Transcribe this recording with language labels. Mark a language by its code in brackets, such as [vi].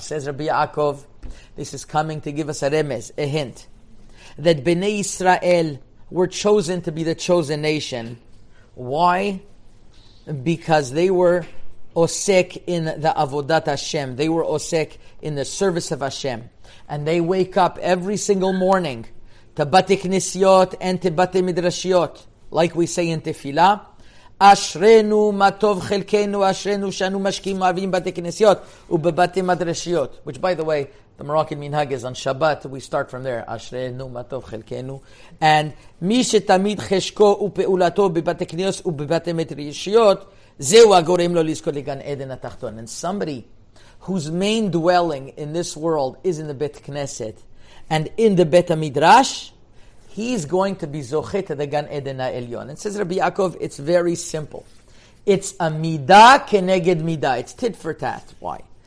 [en] Says Rabbi Yaakov, this is coming to give us a remez, a hint, that Bnei Yisrael were chosen to be the chosen nation. Why? Because they were osek in the avodat Hashem. They were osek in the service of Hashem, and they wake up every single morning to batei knesiyot and to batei midrashiyot. Like we say in Tefillah, [he] אשרנו מה טוב חלקנו, אשרנו שאנו משקיעים אוהבים בתי כנסיות ובבתי מדרשיות. [en] Which, by the way, the Moroccan minhag is on Shabbat. We start from there. [he] אשרנו מה טוב חלקנו. And מי שתמיד חשקו ופעולתו בבתי כנסיות ובבתי מדרשיות, זהו הגורם לו לזכות לגן עדן התחתון. [en] And somebody whose main dwelling in this world is in the Bet Knesset and in the Bet HaMidrash, he is going to be zochet to the Gan Eden HaElyon. And says Rabbi Yaakov, it's very simple. It's a midah keneged midah. It's tit for tat. Why?